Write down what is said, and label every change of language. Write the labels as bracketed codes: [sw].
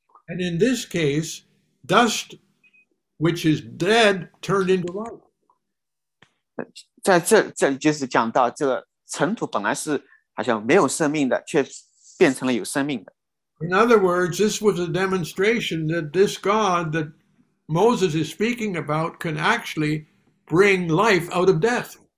[en] And in this case, dust which is dead turned into life. [zh] 在这里就是讲到这个尘土本来是好像没有生命的，却变成了有生命的。 [en] In other words, this was a demonstration that this God that Moses is speaking about can actually bring life out of death.